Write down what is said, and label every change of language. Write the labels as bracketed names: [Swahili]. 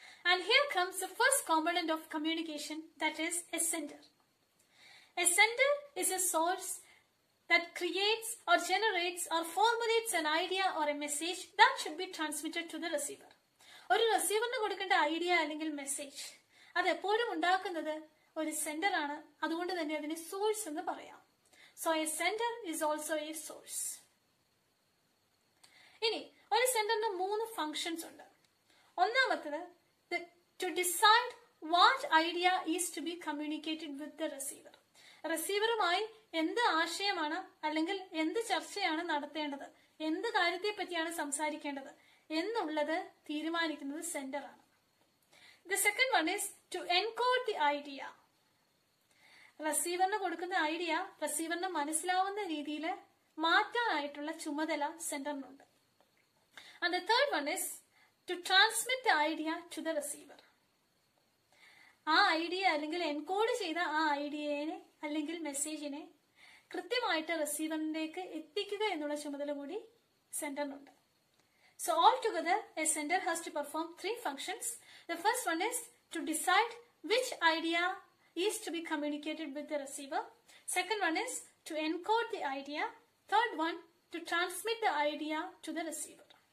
[English] And here comes the first component of communication, that is a sender. A sender is a source that creates or generates or formulates an idea or a message that should be transmitted to the receiver. [Malayalam] ഒരു റിസീവറിന് കൊടുക്കേണ്ട idea അല്ലെങ്കിൽ message അത് എപ്പോഴും ഉണ്ടാക്കുന്നത് ഒരു sender ആണ്. അതുകൊണ്ട് തന്നെ അതിനെ സോഴ്സ് എന്ന് പറയാം. [English] So a sender is also a source. [Malayalam] ഇനി ഒരു സെൻഡറിന് 3 ഫംഗ്ഷൻസ് ഉണ്ട്. ഒന്നാമത്തേത് [English] To decide what idea is to be communicated with the receiver. [Malayalam] റിസീവറുമായി എന്ത് ആശയമാണ് അല്ലെങ്കിൽ എന്ത് ചർച്ചയാണ് നടത്തേണ്ടത്, എന്ത് കാര്യത്തെ പറ്റിയാണ് സംസാരിക്കേണ്ടത് എന്നുള്ളത് തീരുമാനിക്കുന്നത് സെൻഡർ ആണ്. [English] The second one is to encode the idea. [Malayalam] റിസീവറിന് കൊടുക്കുന്ന ഐഡിയ റിസീവറിന് മനസ്സിലാവുന്ന രീതിയിൽ മാറ്റാനായിട്ടുള്ള ചുമതല സെൻഡറിനുണ്ട്. [English] And the third one is to transmit the idea to the receiver. [Malayalam] ആ ഐഡിയ അല്ലെങ്കിൽ എൻകോഡ് ചെയ്ത ആ ഐഡിയനെ അല്ലെങ്കിൽ മെസ്സേജിനെ കൃത്യമായിട്ട് റിസീവറിലേക്ക് എത്തിക്കുക എന്നുള്ള ചുമതല കൂടി സെൻഡറിനുണ്ട്. [English] So altogether, a sender has to perform 3 functions. The first one is to decide which idea is to be communicated with the receiver. Second one is to encode the idea. Third one, to transmit the idea to the receiver.